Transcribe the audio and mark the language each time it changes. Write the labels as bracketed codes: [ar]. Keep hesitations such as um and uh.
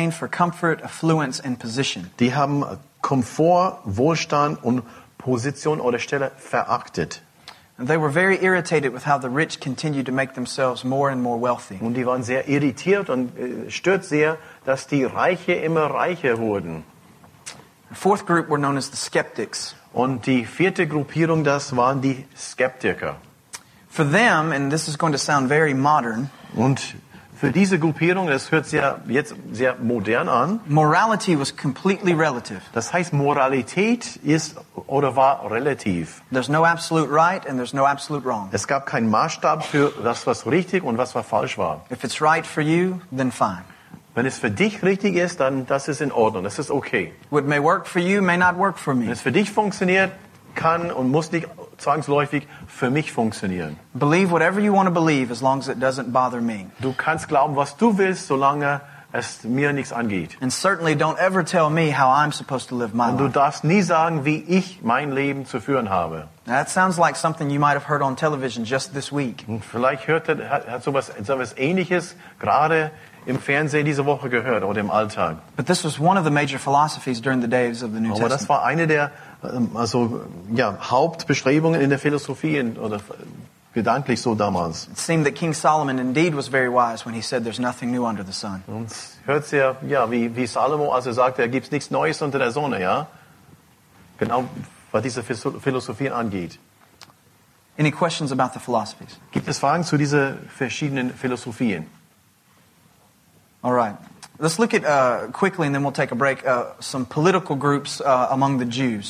[de] Comfort, die haben Komfort, Wohlstand und Position oder Stelle verachtet. [en] And they were very irritated with how the rich continued to make themselves more and more wealthy. [de] Und die waren sehr irritiert und stört sehr, dass die Reiche immer reicher wurden. [en] The fourth group were known as the skeptics. [de] Und die vierte Gruppierung, das waren die Skeptiker. [en] For them, and this is going to sound very modern. [de] Und für diese Gruppierung, das hört sich ja jetzt sehr modern an. [en] Morality was completely relative. [de] Das heißt, Moralität ist oder war relativ. [en] There's no absolute right and there's no absolute wrong. [de] Es gab keinen Maßstab für das, was richtig und was, was falsch war. [en] If it's right for you, then fine. [de] Wenn es für dich richtig ist, dann das ist in Ordnung, das ist okay. [en] What may work for you may not work for me. [de] Wenn es für dich funktioniert, kann und muss nicht Für mich funktionieren. [en] Believe whatever you want to believe as long as it doesn't bother me. [de] Du kannst glauben, was du willst, solange es mir nichts angeht. [en] And certainly don't ever tell me how I'm supposed to live my [de] Und du [en] life. [de] darfst nie sagen, wie ich mein Leben zu führen habe. [en] that sounds like something you might have heard on television just this week. [de] Und vielleicht hört hat, hat sowas sowas ähnliches gerade im Fernsehen diese Woche gehört oder im Alltag. [en] But this was one of the major philosophies during the days of the New Aber Testament. [de] Aber das war eine der also ja, Hauptbestrebungen in der Philosophie in, oder gedanklich so damals. [en] Es seemed that King Solomon indeed was very wise when he said there's nothing new under the sun. [de] Und hört sich ja, wie wie Salomo also sagte, er gibt nichts Neues unter der Sonne, ja? Genau, was diese Philosophien angeht. [en] Any questions about the philosophies? [de] Gibt es Fragen zu diese verschiedenen Philosophien? [en] All right. Let's look at uh, quickly, and then we'll take a break. Uh, some political groups uh, among the Jews.